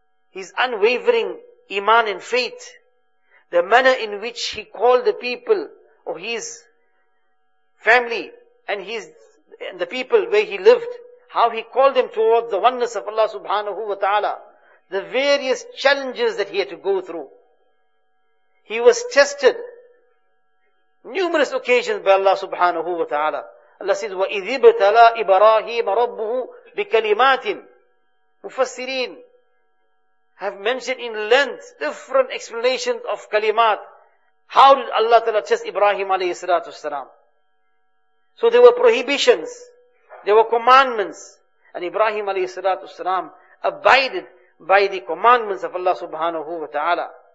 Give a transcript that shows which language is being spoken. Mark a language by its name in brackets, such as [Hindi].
[English] His unwavering iman and faith, the manner in which he called the people of his family and his and the people where he lived, how he called them towards the oneness of Allah subhanahu wa ta'ala, the various challenges that he had to go through. He was tested numerous occasions by Allah subhanahu wa ta'ala. Allah says, [Arabic] وَإِذِ ابْتَلَى إِبْرَاهِيمَ رَبُّهُ بِكَلِمَاتٍ. [English] Mufassireen have mentioned in length different explanations of kalimat. How did Allah ta'ala test Ibrahim alayhi salatu salam? So there were prohibitions, there were commandments, and Ibrahim alayhi salatu salam abided by the commandments of Allah subhanahu wa ta'ala.